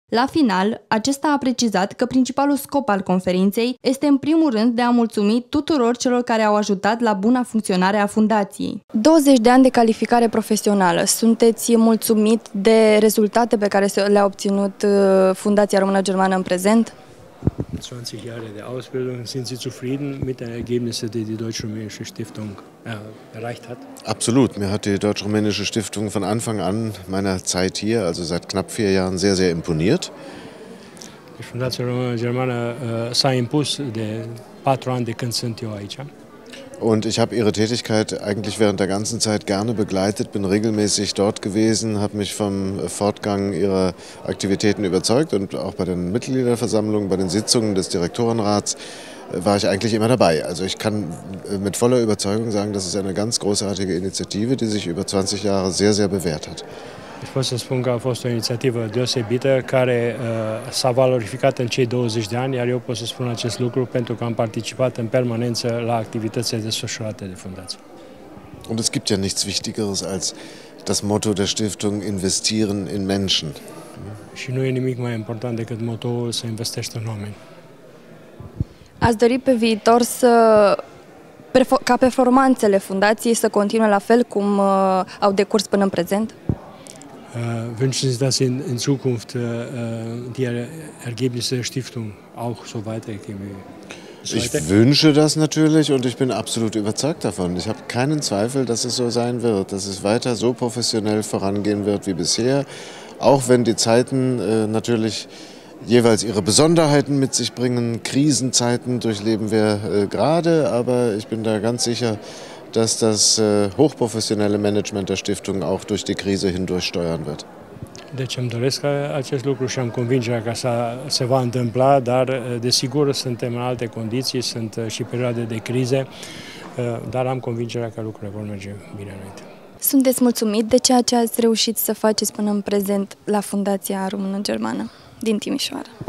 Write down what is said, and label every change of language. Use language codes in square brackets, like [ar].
[ro] La final, acesta a precizat că principalul scop al conferinței este în primul rând de a mulțumi tuturor celor care au ajutat la buna funcționare a fundației. 20 de ani de calificare profesională. Sunteți mulțumit de rezultate pe care le-a obținut Fundația Română-Germană în prezent? [de] 20 Jahre der Ausbildung, sind Sie zufrieden mit den Ergebnissen, die die Deutsch-Rumänische Stiftung erreicht hat? Absolut. Mir hat die Deutsch-Rumänische Stiftung von Anfang an meiner Zeit hier, also seit knapp 4 Jahren, sehr, sehr imponiert. [ro] Die Fundation Germana s-a impus de 4 ani de când sunt eu aici. [de] Und ich habe Ihre Tätigkeit eigentlich während der ganzen Zeit gerne begleitet, bin regelmäßig dort gewesen, habe mich vom Fortgang Ihrer Aktivitäten überzeugt und auch bei den Mitgliederversammlungen, bei den Sitzungen des Direktorenrats war ich eigentlich immer dabei. Also ich kann mit voller Überzeugung sagen, das ist eine ganz großartige Initiative, die sich über 20 Jahre sehr, sehr bewährt hat. Ich muss sagen, es war eine Initiative [ro] deosebită, care s-a valorificat în cei 20 de ani, iar eu pot să spun acest lucru pentru că am participat în permanență la activitățile desfășurate de fundație. [de] Und es gibt ja nichts Wichtigeres als das Motto der Stiftung, investieren in Menschen. [ro] Și nu e nimic mai important decât motoul să investești în oameni. Ați dori pe viitor să ca performanțele fundației să continue la fel cum au decurs până în prezent? [de] Wünschen Sie, dass in Zukunft die Ergebnisse der Stiftung auch so weitergehen? Ich wünsche das natürlich und ich bin absolut überzeugt davon. Ich habe keinen Zweifel, dass es so sein wird, dass es weiter so professionell vorangehen wird wie bisher, auch wenn die Zeiten natürlich jeweils ihre Besonderheiten mit sich bringen. Krisenzeiten durchleben wir gerade, aber ich bin da ganz sicher, dass das hochprofessionelle Management der Stiftung auch durch die Krise hindurch steuern wird. [ro] Deci îmi doresc acest lucru și am convingerea că se va întâmpla, dar desigur suntem în alte condiții, sunt și perioade de crize, dar am convingerea că lucrurile vor merge bine înainte. Sunteți mulțumit de ceea ce ați reușit să faceți până în prezent la Fundația Română-Germană din Timișoara?